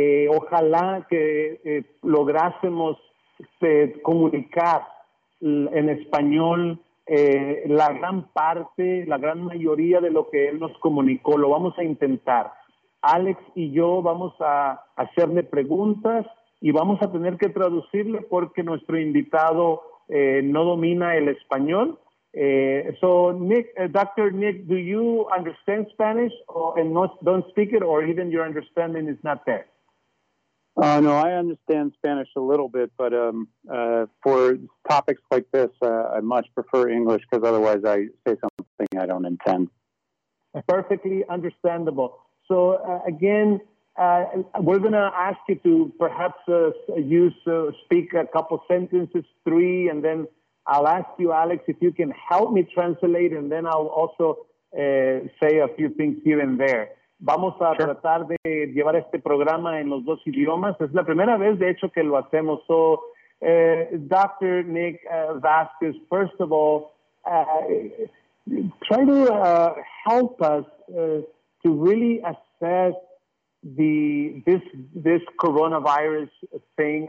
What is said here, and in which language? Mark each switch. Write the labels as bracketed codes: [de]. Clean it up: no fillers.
[es] Ojalá que lográsemos comunicar en español la gran parte, la gran mayoría de lo que él nos comunicó. Lo vamos a intentar. Alex y yo vamos a hacerle preguntas y vamos a tener que traducirle porque nuestro invitado no domina el español. [en] So Nick, Dr. Nick, do you understand Spanish or and not, don't speak it, or even your understanding is not there? No, I understand Spanish a little bit, but for topics like this, I much prefer English because otherwise I say something I don't intend. Perfectly understandable. So again, we're going to ask you to perhaps speak a couple sentences, three, and then I'll ask you, Alex, if you can help me translate, and then I'll also say a few things here and there. [es] Vamos a tratar de llevar este programa en los dos idiomas. Es la primera vez, de hecho, que lo hacemos. [en] So, Dr. Nick Vasquez, first of all, try to help us to really assess this coronavirus thing.